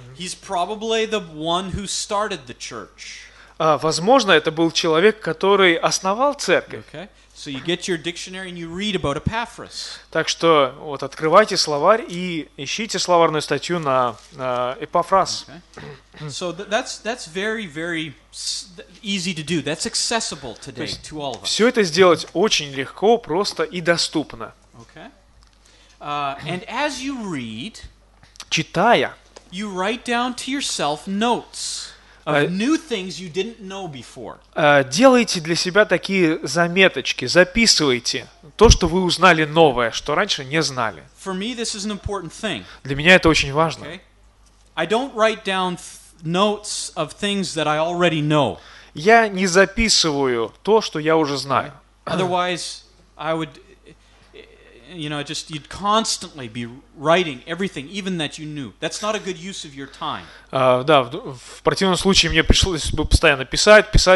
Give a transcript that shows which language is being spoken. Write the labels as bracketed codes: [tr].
[en] He's probably the one who started the church. [ru] Возможно, это был человек, который основал церковь. [en] Okay. So you get your dictionary and you read about Epaphras. [ru] Так что вот открывайте словарь и ищите словарную статью на Epaphras. [en] Okay. So that's very, very easy to do. That's accessible today to all of us. [ru] Все это сделать очень легко, просто и доступно. [en] Okay. And as you read, [ru] читая, [en] you write down to yourself notes of new things you didn't know before. [ru] Делайте для себя такие заметочки, записывайте то, что вы узнали новое, что раньше не знали. [en] For me, this is an important thing. [ru] Для меня это очень важно. [en] Okay? I don't write down notes of things that I already know. [ru] Я не записываю то, что я уже знаю. [en] Okay? Otherwise, I would... You know, just you'd constantly be writing everything, even that you knew. That's not a good use of your time. [ru] Да, в противном случае мне пришлось бы постоянно писать.